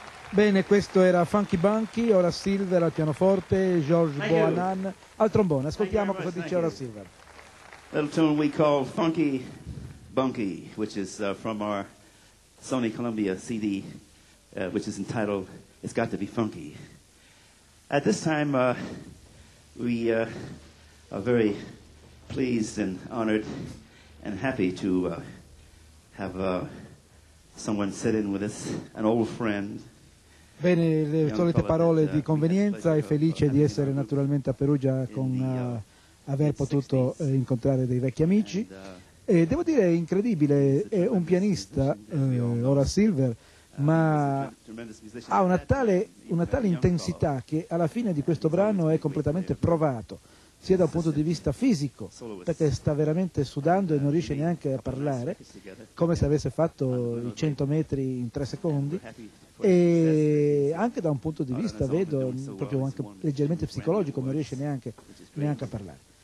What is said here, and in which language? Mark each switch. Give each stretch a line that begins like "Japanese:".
Italian: Bene, questo era Funky Bunky, Ora Silver al pianoforte, George Boanan al trombone. Ascoltiamo cosa dice Ora Silver.
English: Little tune we call Funky Bunky, which is from our Sony Columbia CD, which is entitled It's Got to Be Funky. At this time, we are very pleased and honored and happy to have someone sit in with us, an old friend.
Italian: Bene, le solite parole di convenienza, e felice di essere naturalmente a Perugia con aver potuto incontrare dei vecchi amici. E devo dire, è incredibile, è un pianista, Ora Silver, ma ha una tale intensità che alla fine di questo brano è completamente provato, sia dal punto di vista fisico, perché sta veramente sudando e non riesce neanche a parlare, come se avesse fatto i 100 metri in 3 secondi, e anche da un punto di vista, vedo, proprio anche leggermente psicologico, non riesce neanche a parlare.